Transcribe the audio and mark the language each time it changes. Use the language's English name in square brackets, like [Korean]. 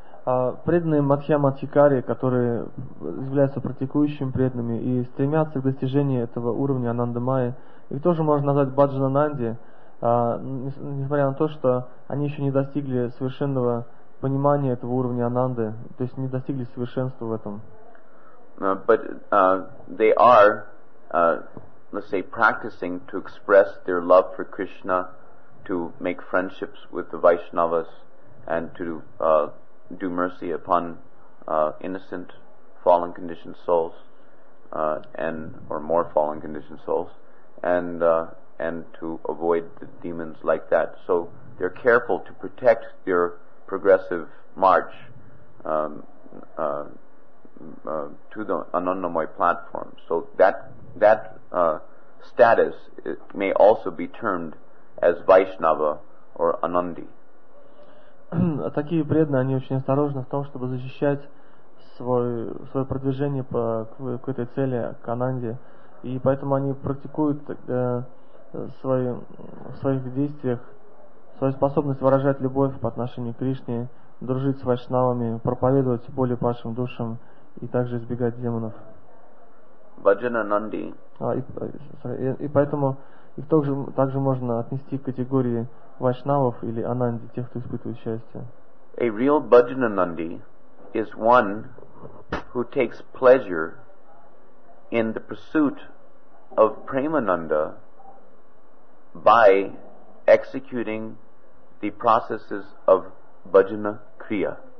[Russian] Преданные мадхьяма адхикари, которые являются практикующими преданными и стремятся к достижению этого уровня анандамая, их тоже можно назвать бхаджананди, несмотря на то, что они еще не достигли совершенного понимания этого уровня ананды, то есть не достигли совершенства в этом. [English] They are, let's say, practicing to express their love for Krishna, to make friendships with the Vaishnavas, and to do mercy upon innocent fallen conditioned souls and to avoid the demons like that. So they're careful to protect their progressive march to the anandamoy platform. So that status may also be termed as Vaishnava or Anandi. [Russian] Такие преданные, они очень осторожны в том, чтобы защищать свое продвижение по какой-то цели, к Ананде. И поэтому они практикуют в своих действиях свою способность выражать любовь по отношению к Кришне, дружить с вайшнавами, проповедовать более падшим душам и также избегать демонов. [English] Bhajana Nandi. [Russian] И также можно отнести к категории вайшнавов или ананди, тех, кто испытывает счастье. [English] A real Bhajana Nandi is one who takes pleasure in the pursuit of Premananda by executing the processes of Bhajana Kriya.